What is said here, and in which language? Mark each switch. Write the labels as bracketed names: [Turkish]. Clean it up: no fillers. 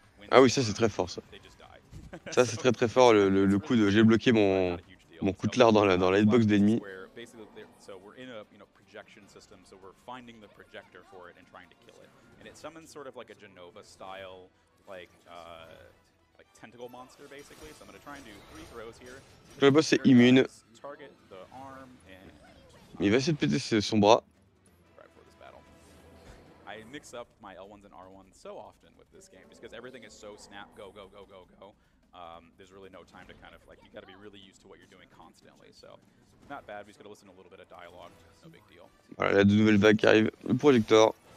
[French] Ah oui, ça c'est très fort ça. Ça c'est très très fort, le coup de... J'ai bloqué mon coutelard dans la hitbox d'ennemis. [English] So we're in a projection system, so we're finding the projector for it and trying to kill it. And it summons sort of like a Genova style, like tentacle monster basically. So I'm gonna try and do three throws here. [French] Le boss est immune. [English] Target the arm and... [French] Il va essayer de péter son bras. [English] Right for this battle. I mix up my L1s and R1s so often with this game, because everything is so snap, go, go, go, go, go. There's really no time to kind of like, you gotta be really used to what you're doing constantly. So not bad, we just gotta listen to a little bit of dialogue, no big deal. [French] Voilà, la nouvelle vague qui arrive, le projecteur.